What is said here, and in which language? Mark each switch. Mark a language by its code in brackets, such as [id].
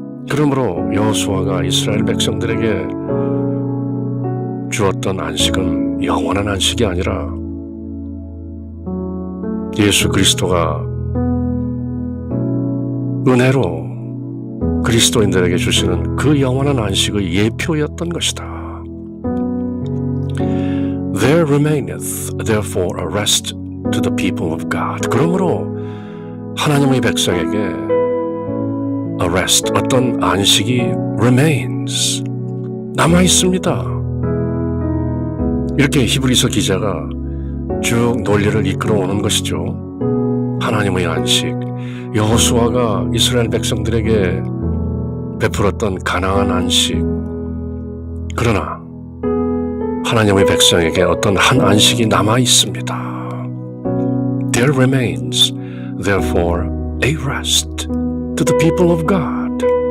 [ko] 그러므로 여호수아가 이스라엘 백성들에게 주었던 안식은 영원한 안식이 아니라 예수 그리스도가 은혜로 그리스도인들에게 주시는 그 영원한 안식의 예표였던 것이다. [en] There remaineth therefore a rest to the people of God. [ko] 그러므로 하나님의 백성에게 a rest, 어떤 안식이 remains, 남아있습니다. 이렇게 히브리서 기자가 쭉 논리를 이끌어오는 것이죠. 하나님의 안식, 여호수아가 이스라엘 백성들에게 베풀었던 가나안 안식, 그러나 하나님의 백성에게 어떤 한 안식이 남아있습니다. [en] There remains, therefore, a rest to the people of God.